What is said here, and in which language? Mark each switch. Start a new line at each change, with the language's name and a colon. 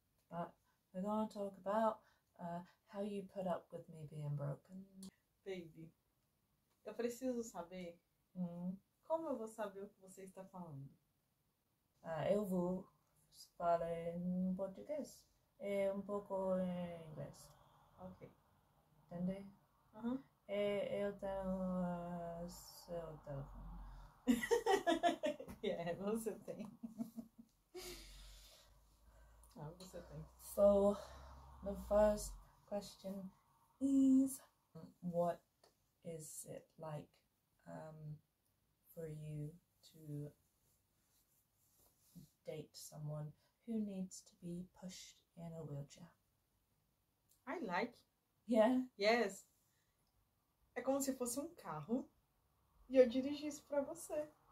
English: But we're going to talk about how you put up with me being broken.
Portuguese: Baby, eu preciso saber como eu vou saber o que você está falando. Eu vou falar em português e pouco em inglês. Ok. Entende? Uh-huh. E eu tenho seu telefone. Yeah, você tem. Ah, você tem.
English: So, the first question is, what is it like for you to date someone who needs to be pushed in a wheelchair? I like. Yeah? Yes.
Portuguese: É como se fosse carro e eu dirigisse pra você.